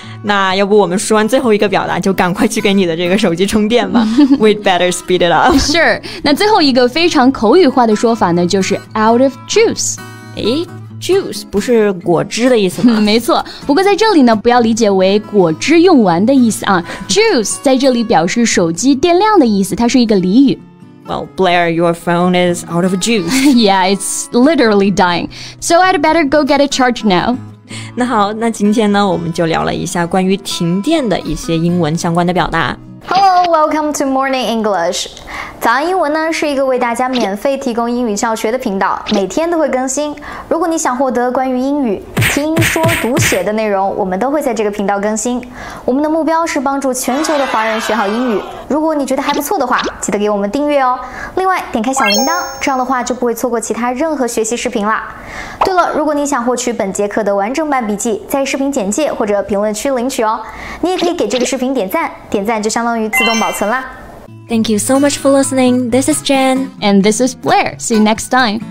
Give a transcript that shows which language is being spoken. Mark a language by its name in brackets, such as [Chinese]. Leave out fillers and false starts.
[Chinese] 那要不我们说完最后一个表达就赶快去给你的这个手机充电吧 [English] We'd better speed it up [Chinese] Sure 那最后一个非常口语化的说法呢就是 out of juice 诶Juice 不是果汁的意思吗、没错不过在这里呢不要理解为果汁用完的意思啊。 Juice 在这里表示手机电量的意思它是一个俚语 [English] Well Blair your phone is out of juice Yeah it's literally dying So I'd better go get a charge now [Chinese] 那好那今天呢我们就聊了一下关于停电的一些英文相关的表达 [English] Hello, welcome to Morning English. [Chinese] 早安英文呢是一个为大家免费提供英语教学的频道，每天都会更新。如果你想获得关于英语听说读写的内容，我们都会在这个频道更新。我们的目标是帮助全球的华人学好英语。如果你觉得还不错的话，记得给我们订阅哦。另外，点开小铃铛，这样的话就不会错过其他任何学习视频啦。对了，如果你想获取本节课的完整版笔记，在视频简介或者评论区领取哦。你也可以给这个视频点赞，点赞就相当于自动保存啦。 [English] Thank you so much for listening. This is Jen. And this is Blair. See you next time.